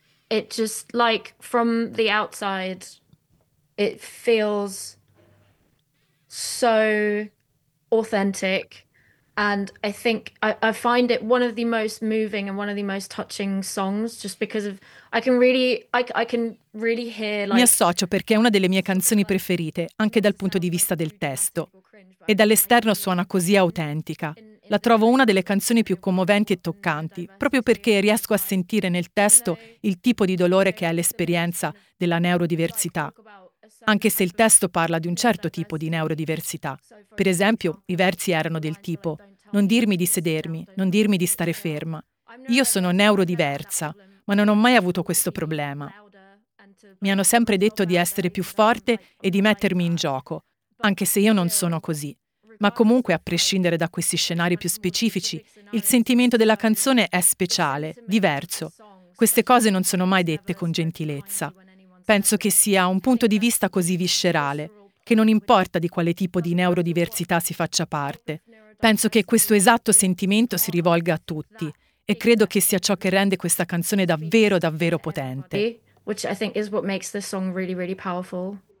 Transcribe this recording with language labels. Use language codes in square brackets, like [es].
[en] It just like from the outside, it feels so authentic, and I think I find it one of the most moving and one of the most touching songs, just because of I can really hear. Like, [it] mi associo perché è una delle mie canzoni preferite, anche dal punto di vista del testo. E dall'esterno suona così autentica. La trovo una delle canzoni più commoventi e toccanti, proprio perché riesco a sentire nel testo il tipo di dolore che è l'esperienza della neurodiversità. Anche se il testo parla di un certo tipo di neurodiversità. Per esempio, i versi erano del tipo «Non dirmi di sedermi, non dirmi di stare ferma. Io sono neurodiversa, ma non ho mai avuto questo problema. Mi hanno sempre detto di essere più forte e di mettermi in gioco, anche se io non sono così. Ma comunque, a prescindere da questi scenari più specifici, il sentimento della canzone è speciale, diverso. Queste cose non sono mai dette con gentilezza. Penso che sia un punto di vista così viscerale, che non importa di quale tipo di neurodiversità si faccia parte. Penso che questo esatto sentimento si rivolga a tutti e credo che sia ciò che rende questa canzone davvero, davvero potente. [en] Which I think is what makes this song really, really powerful.